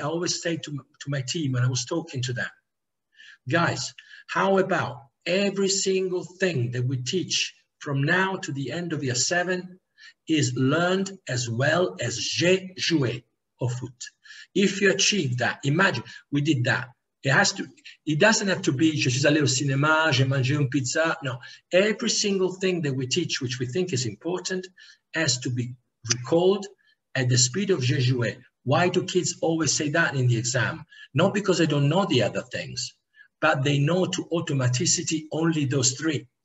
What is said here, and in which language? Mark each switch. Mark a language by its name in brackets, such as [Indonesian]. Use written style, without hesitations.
[English] I always say to my team, and I was talking to them, guys, how about every single thing that we teach from now to the end of year 7 is learned as well as [French] j'ai joué au foot. [English] If you achieve that, imagine we did that. It doesn't have to be [French] je suis allé au cinéma, j'ai mangé une pizza. [English] No, every single thing that we teach, which we think is important, has to be recalled at the speed of [French] j'ai joué. [English] Why do kids always say that in the exam? Not because they don't know the other things, but they know to automaticity only those three.